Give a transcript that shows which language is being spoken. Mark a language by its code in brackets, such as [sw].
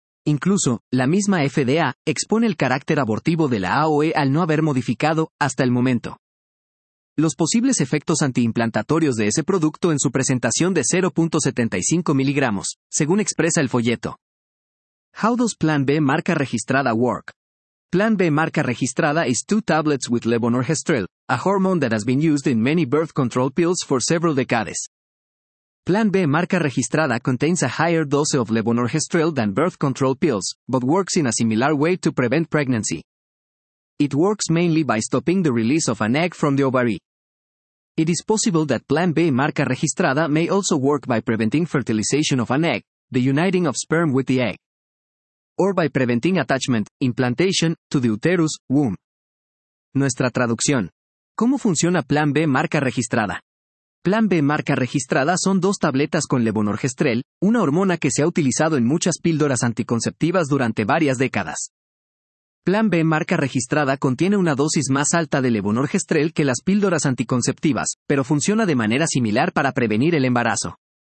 [es] Incluso, la misma FDA expone el carácter abortivo de la AOE al no haber modificado, hasta el momento, los posibles efectos antiimplantatorios de ese producto en su presentación de 0.75 miligramos, según expresa el folleto. [en] How does Plan B [es] marca registrada [en] work? Plan B [es] marca registrada [en] is 2 tablets with levonorgestrel, a hormone that has been used in many birth control pills for several decades. Plan B [es] marca registrada [en] contains a higher dose of levonorgestrel than birth control pills, but works in a similar way to prevent pregnancy. It works mainly by stopping the release of an egg from the ovary. It is possible that Plan B [es] marca registrada [en] may also work by preventing fertilization of an egg, the uniting of sperm with the egg, or by preventing attachment, implantation, to the uterus, womb. [es] Nuestra traducción. ¿Cómo funciona Plan B marca registrada? Plan B marca registrada son 2 tabletas con levonorgestrel, una hormona que se ha utilizado en muchas píldoras anticonceptivas durante varias décadas. Plan B marca registrada contiene una dosis más alta de levonorgestrel que las píldoras anticonceptivas, pero funciona de manera similar para prevenir el embarazo.